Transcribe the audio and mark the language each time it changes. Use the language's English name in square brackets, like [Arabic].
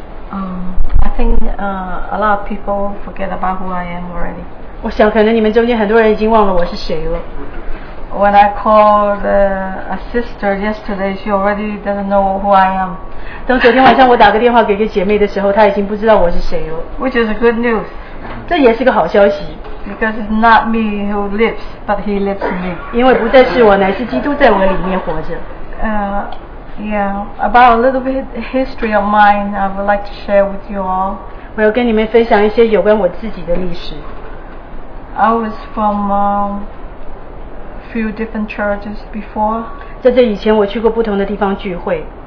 [English] A lot of people forget about who I am already. [Chinese] 我想可能你们中间很多人已经忘了我是谁了。 [English] When I called a sister yesterday, she already doesn't know who I am. [Chinese] 当昨天晚上我打个电话给一个姐妹的时候，她已经不知道我是谁了。 [English] Which is good news. [Chinese] 这也是个好消息。 [English] Because it's not me who lives, but he lives in me. [Chinese] 因为不再是我，乃是基督在我里面活着。 [English] Yeah, about a little bit history of mine, I would like to share with you all. [Chinese] 我要跟你们分享一些有关我自己的历史。 [English] I was from a few different churches before. [Chinese] 在这以前我去过不同的地方聚会。